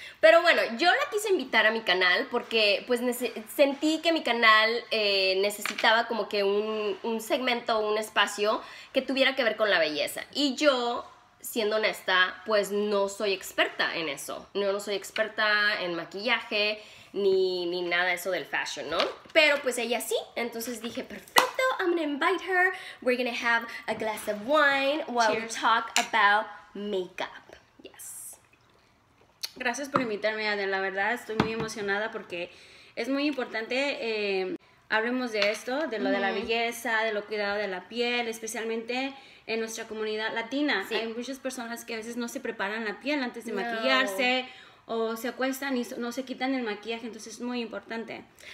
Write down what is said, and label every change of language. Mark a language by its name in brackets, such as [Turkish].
[Spanish] Pero bueno, yo la quise invitar a mi canal porque pues sentí que mi canal necesitaba como que un segmento, un espacio que tuviera que ver con la belleza. Y yo, siendo honesta, pues no soy experta en eso. No soy experta en maquillaje ni nada eso del fashion, ¿no? Pero pues ella sí, entonces dije, perfecto, [English] I'm gonna invite her. We're gonna have a glass of wine while Cheers. We talk about makeup. Yes. [Spanish] Gracias por invitarme, Adel. La verdad, estoy muy emocionada porque es muy importante. Hablemos de esto, de lo de la belleza, de lo cuidado de la piel, especialmente en nuestra comunidad latina. Sí. Hay muchas personas que a veces no se preparan la piel antes de maquillarse, o se acuestan y no se quitan el maquillaje, entonces es muy importante.